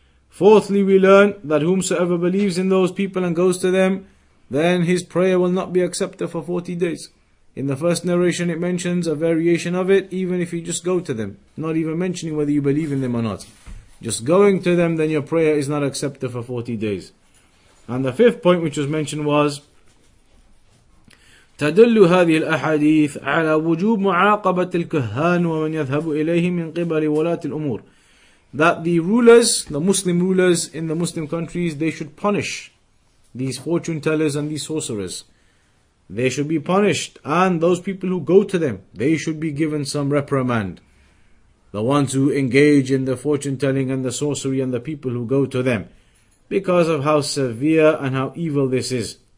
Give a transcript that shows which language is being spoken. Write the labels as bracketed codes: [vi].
[en] Fourthly, we learn that whomsoever believes in those people and goes to them, then his prayer will not be accepted for 40 days. In the first narration, it mentions a variation of it, even if you just go to them, not even mentioning whether you believe in them or not. Just going to them, then your prayer is not accepted for 40 days. And the fifth point which was mentioned was, [ar] تَدُلُّ هَذِهِ الْأَحَادِيثِ عَلَى وُجُوبُ مُعَاقَبَةِ الْكُهَّانِ وَمَنْ يَذْهَبُ إِلَيْهِ مِنْ قِبَلِ وَلَاةِ الْأُمُورِ. [en] That the rulers, the Muslim rulers in the Muslim countries, they should punish these fortune tellers and these sorcerers. They should be punished, and those people who go to them, they should be given some reprimand. The ones who engage in the fortune telling and the sorcery and the people who go to them, because of how severe and how evil this is.